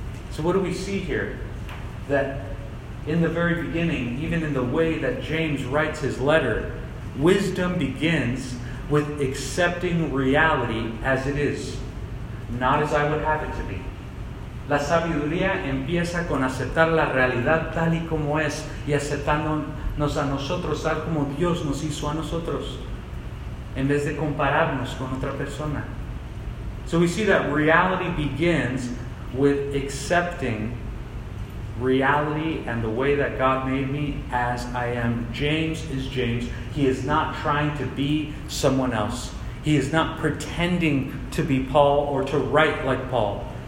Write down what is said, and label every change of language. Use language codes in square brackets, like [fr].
[en] So what do we see here? That in the very beginning, even in the way that James writes his letter, wisdom begins with accepting reality as it is, not as I would have it to be. [es] La sabiduría empieza con aceptar la realidad tal y como es y aceptándonos a nosotros tal como Dios nos hizo a nosotros, en vez de compararnos con otra persona. [en] So we see that reality begins with accepting reality and the way that God made me as I am. James is James. He is not trying to be someone else. He is not pretending to be Paul or to write like Paul.